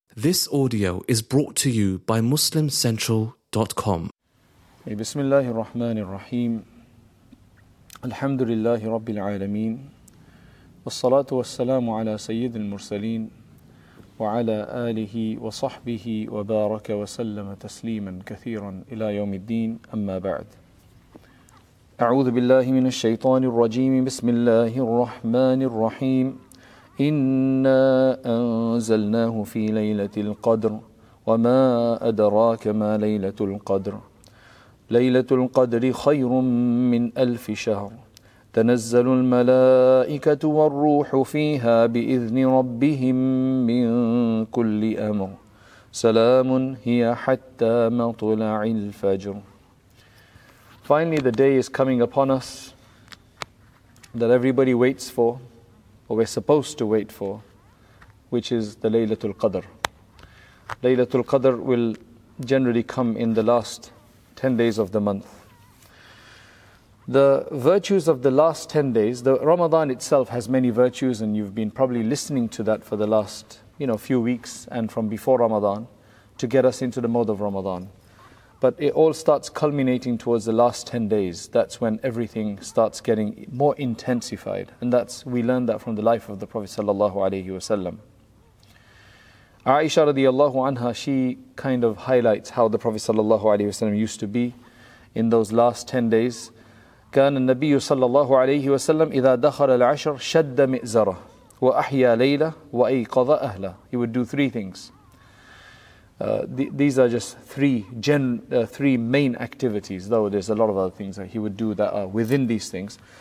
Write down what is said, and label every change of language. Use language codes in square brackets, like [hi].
[en] This audio is brought to you by MuslimCentral.com. [ar] بسم الله الرحمن الرحيم الحمد لله رب العالمين والصلاة والسلام على سيد المرسلين وعلى آله وصحبه وبارك وسلم تسليما كثيرا إلى يوم الدين أما بعد أعوذ بالله من الشيطان الرجيم بسم الله الرحمن الرحيم إنا أنزلناه في ليلة القدر وما أدراك ما ليلة القدر ليلة القدر خير من ألف شهر تنزل الملائكة والروح فيها بإذن ربهم من كل أمر سلام هي حتى مطلع الفجر. [en] Finally, the day is coming upon us that everybody waits for, or we're supposed to wait for, which is the Laylatul Qadr. Laylatul Qadr will generally come in the last 10 days of the month. The virtues of the last 10 days, the Ramadan itself has many virtues, and you've been probably listening to that for the last, you know, few weeks and from before Ramadan to get us into the mode of Ramadan. But it all starts culminating towards the last 10 days. That's when everything starts getting more intensified. And that's, we learn that from the life of the Prophet sallallahu alayhi wa sallam. Aisha radiallahu anha, she kind of highlights how the Prophet sallallahu alayhi wa sallam used to be in those last 10 days. [ar] كان النبي sallallahu alayhi wa sallam إذا دخل العشر شد مئزرة وأحيا ليلة وأيقظ أهلا. [en] He would do three things. These are just three main activities, though there's a lot of other things that he would do that are within these things.